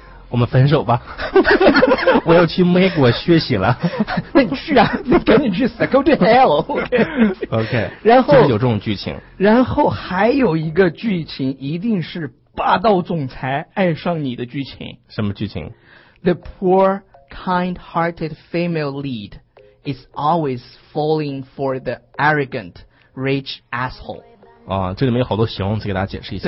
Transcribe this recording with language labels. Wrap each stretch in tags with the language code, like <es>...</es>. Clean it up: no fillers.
<zh>我们分手吧，我要去美国学习了。那你去啊，你赶紧去死 ，</zh> <en>Go to hell。 OK，OK、 okay.</en> <zh>。 然后就是有这种剧情。然后还有一个剧情，一定是霸道总裁爱上你的剧情。什么剧情</zh> <en>？The poor, kind-hearted female lead is always falling for the arrogant, rich asshole。</en> <zh>啊、这里面有好多形容词，给大家解释一下。</zh>